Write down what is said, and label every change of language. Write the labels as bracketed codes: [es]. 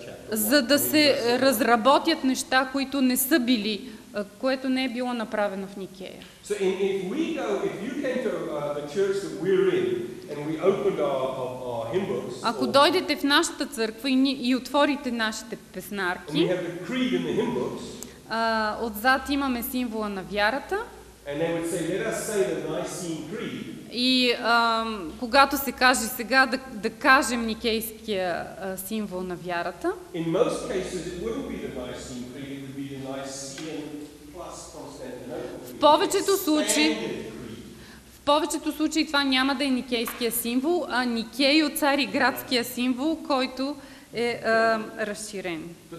[bg] За да се разработят неща, които не са били, което не е било направено в Никея. [en] So if you came to the church that we're in and we opened our hymn books. [bg] Ако дойдете в нашата църква и отворите нашите песнарки. [en] And we have the creed in the hymn books. [bg] Отзад имаме символа на вярата. [en] And they would say, let us say the Nicene Creed. [bg] И когато се каже сега да кажем никейския символ на вярата. [en] In most cases it wouldn't be the Nicene Creed, it would be the Nicene plus Constantinople. [bg] В повечето случаи това няма да е никейския символ, а Никей от цари градския символ, който е разширен.